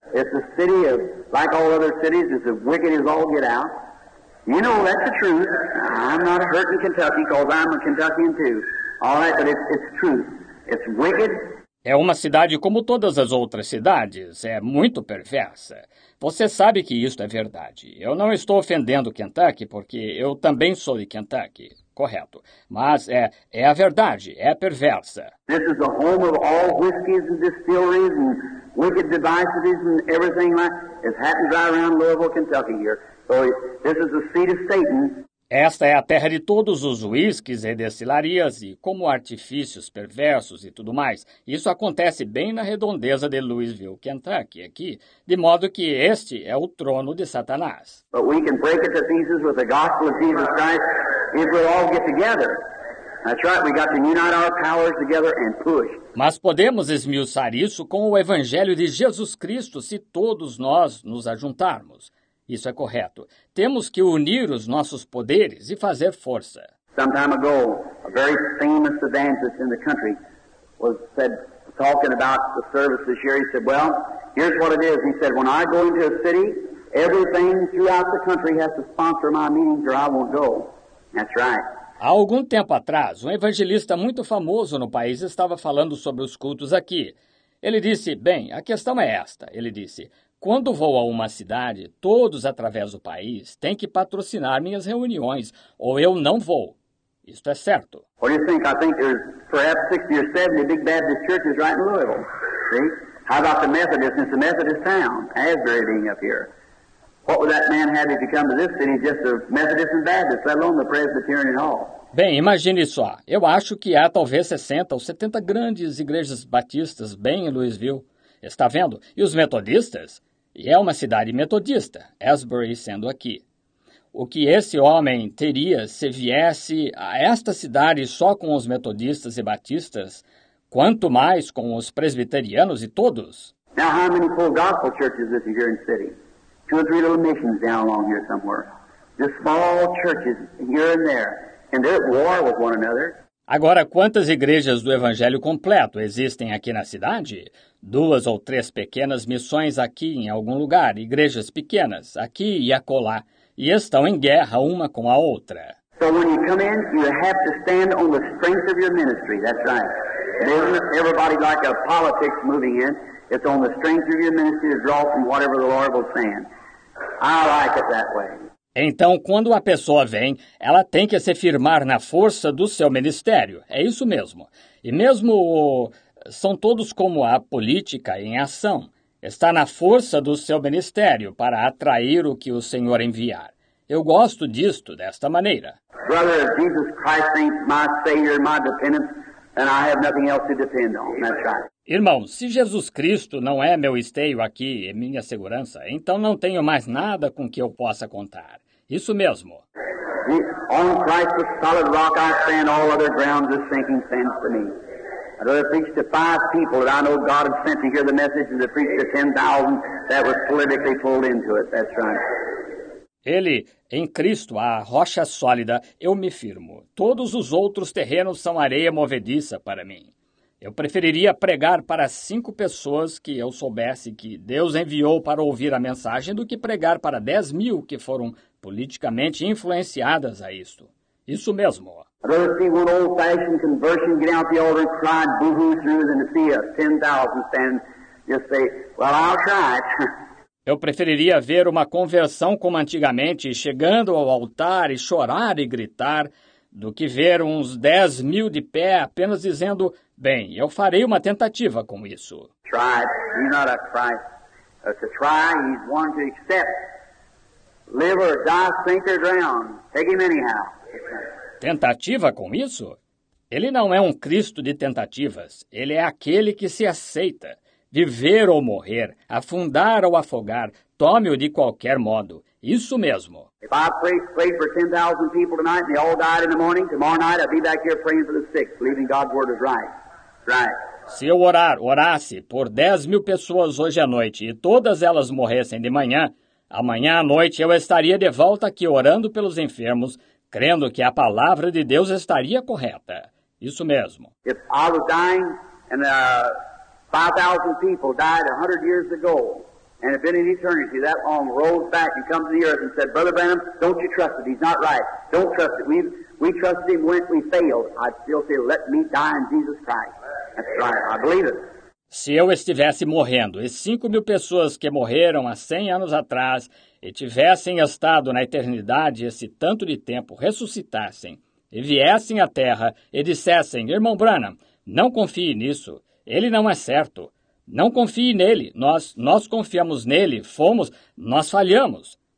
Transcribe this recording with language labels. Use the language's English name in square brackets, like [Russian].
[English] It's a city of, like all other cities, it's as wicked as all get out. You know, that's the truth. I'm not hurting Kentucky because I'm a Kentuckian too. All right, but it's true. It's wicked. [Portuguese] É uma cidade como todas as outras cidades, é muito perversa. Você sabe que isto é verdade. Eu não estou ofendendo Kentucky, porque eu também sou de Kentucky, correto. Mas é a verdade, é perversa. [English] This is the home of all whiskeys and distilleries and wicked devices and everything like that. It happens right around Louisville, Kentucky here. So this is the seat of Satan. [Portuguese] Esta é a terra de todos os uísques e destilarias e como artifícios perversos e tudo mais. Isso acontece bem na redondeza de Louisville, Kentucky, aqui, de modo que este é o trono de Satanás. [English] But we can break it to pieces with the gospel of Jesus Christ if we all get together. That's right, we got to unite our powers together and push. [Portuguese] Mas podemos esmiuçar isso com o evangelho de Jesus Cristo se todos nós nos ajuntarmos. Isso é correto. Temos que unir os nossos poderes e fazer força. [English] Some time ago, a very famous evangelist in the country was said talking about the services here. He said, well, here's what it is. He said, when I go into a city, everything throughout the country has to sponsor my meetings or I won't go. That's right. [Portuguese] Há algum tempo atrás, um evangelista muito famoso no país estava falando sobre os cultos aqui. Ele disse, bem, a questão é esta. Ele disse, quando vou a uma cidade, todos através do país têm que patrocinar minhas reuniões, ou eu não vou. Isto é certo. [English] What do you think? I think there's perhaps 60 or 70 big Baptist churches right in Louisville. See? How about the Methodists? It's a Methodist town, Asbury being up here. What would that man have if he come to this city just a Methodist and Baptist, let alone the Presbyterian Hall? [Portuguese] Bem, imagine só. Eu acho que há talvez 60 ou 70 grandes igrejas batistas bem em Louisville. Está vendo? E os metodistas? E é uma cidade metodista, Asbury sendo aqui. O que esse homem teria se viesse a esta cidade só com os metodistas e batistas, quanto mais com os presbiterianos e todos? [English] Now, how many full gospel churches is here in the city? Two or three little missions down along here somewhere. Just small churches here and there. And they're at war with one another. [Portuguese] Agora, quantas igrejas do Evangelho completo existem aqui na cidade? Duas ou três pequenas missões aqui em algum lugar, igrejas pequenas, aqui e acolá, e estão em guerra uma com a outra. [English] So when you come in, you have to stand on the strength of your ministry, that's right. It isn't everybody like a politics moving in. It's on the strength of your ministry to draw from whatever the Lord will send. I like it that way. [Portuguese] Então, quando a pessoa vem, ela tem que se firmar na força do seu ministério. É isso mesmo. E mesmo são todos como a política em ação. Está na força do seu ministério para atrair o que o Senhor enviar. Eu gosto disto desta maneira. [English] Brother, if Jesus Christ ain't my savior, my dependent, then I have nothing else to depend on. That's right. [Portuguese] Irmão, se Jesus Cristo não é meu esteio aqui e minha segurança, então não tenho mais nada com que eu possa contar. Isso mesmo. [English] On Christ, the solid rock, I stand, all other grounds are sinking sands to me. I'd rather preach to five people that I know God has sent to hear the message than to preach to 10,000 that was politically pulled into it. That's right. [Portuguese] Ele, em Cristo, a rocha sólida, eu me firmo. Todos os outros terrenos são areia movediça para mim. Eu preferiria pregar para 5 pessoas que eu soubesse que Deus enviou para ouvir a mensagem do que pregar para 10,000 que foram politicamente influenciadas a isto. Isso mesmo. [English] I'd rather see one old-fashioned conversion get out the altar and cry boo-hoo through than to see a 10,000 stand just say, well, I'll try it. [Portuguese] Eu preferiria ver uma conversão como antigamente, chegando ao altar e chorar e gritar, do que ver uns 10,000 de pé apenas dizendo, bem, eu farei uma tentativa com isso. [English] Try, he's not a Christ. To try, he's one to accept. Live or die, sink or drown. Take him anyhow. [Portuguese] Tentativa com isso? Ele não é um Cristo de tentativas. Ele é aquele que se aceita. Viver ou morrer, afundar ou afogar, tome-o de qualquer modo. Isso mesmo. [English] If I prayed for 10,000 people tonight and they all died in the morning, tomorrow night I'd be back here praying for the sick, believing God's word is right. [Portuguese] Se eu orasse por 10,000 pessoas hoje à noite e todas elas morressem de manhã, amanhã à noite eu estaria de volta aqui orando pelos enfermos, crendo que a palavra de Deus estaria correta. Isso mesmo. [English] If I was dying and 5,000 people died 100 years ago and have been in eternity, that long rolls back and comes to the earth and said, Brother Branham, don't you trust it. He's not right. Don't trust it. We trusted him when we failed. I'd still say, let me die in Jesus Christ. I believe it. [Portuguese] Se eu estivesse morrendo e 5,000 pessoas que morreram há 100 anos atrás e tivessem estado na eternidade esse tanto de tempo, ressuscitassem e viessem à terra e dissessem, Irmão Branham, não confie nisso, ele não é certo, não confie nele, nós confiamos nele, nós falhamos.